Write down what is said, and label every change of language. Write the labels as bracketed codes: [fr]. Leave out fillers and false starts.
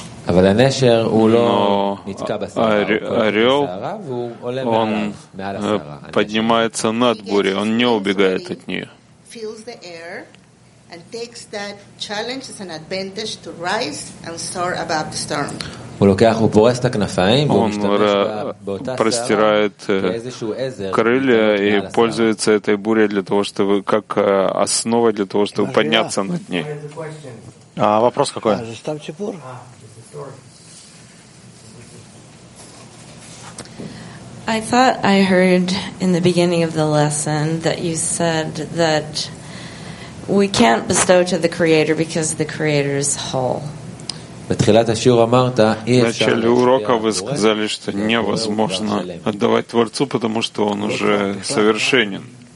[ru] Но орел, он поднимается над бурей, он не убегает от нее. [en] Feels the air and takes that challenge as an advantage to rise and soar above the storm. [ru] Он простирает крылья и пользуется этой бурей для того, чтобы как основа для того, чтобы подняться над ней. А вопрос какой? [en] I thought I heard in the beginning of the lesson that you said that we can't bestow to the Creator because the Creator is whole. [ru] В начале урока вы сказали, что невозможно отдавать Творцу, потому что он уже совершенен.